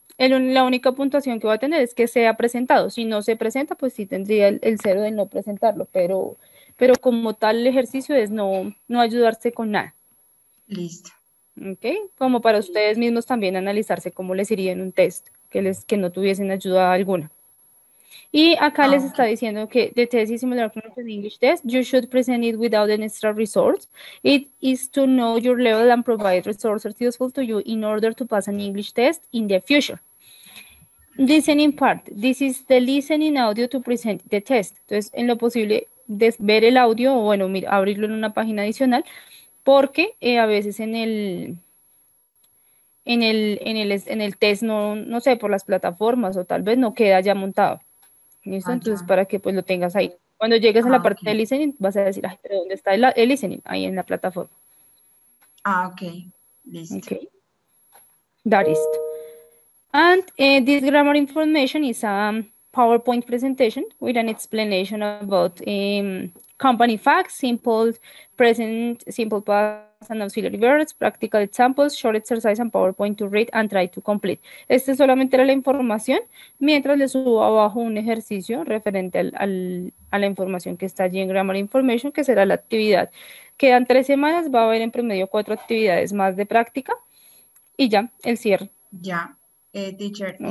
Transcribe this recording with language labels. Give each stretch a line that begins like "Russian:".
Spanish: La única puntuación que va a tener es que sea presentado. Si no se presenta, pues sí tendría el cero de no presentarlo, pero como tal el ejercicio es no ayudarse con nada. Listo. ¿Ok? Como para ustedes mismos también analizarse cómo les iría en un test, que no tuviesen ayuda alguna. Y acá les está
English: Okay.
Spanish: diciendo que
English: the test is similar to the English test. You should present it without an extra resource. It is to know your level and provide resources useful to you in order to pass an English test in the future. Listening part. This is the listening audio to present the test.
Spanish: Entonces, en lo posible, ver el audio o, bueno, mira, abrirlo en una página adicional, porque a veces en el test no sé, por las plataformas o tal vez no queda ya montado. ¿Listo? Entonces, Allá. para que pues lo tengas ahí. Cuando llegues a la Ah, parte de
English: okay.
Spanish: listening, vas a decir, ay, ¿pero dónde está el listening? Ahí en la plataforma. Ah, okay. Listo.
English: Okay. That is. And this grammar information is a PowerPoint presentation with an explanation about company facts, simple present, simple past and auxiliary verbs, practical examples, short exercise and PowerPoint to read and try to complete.
Spanish: Este solamente era la información, mientras le subo abajo un ejercicio referente a la información que está allí en Grammar Information, que será la actividad. Quedan 3 semanas, va a haber en promedio 4 actividades más de práctica y ya, el cierre. Ya, teacher, ¿le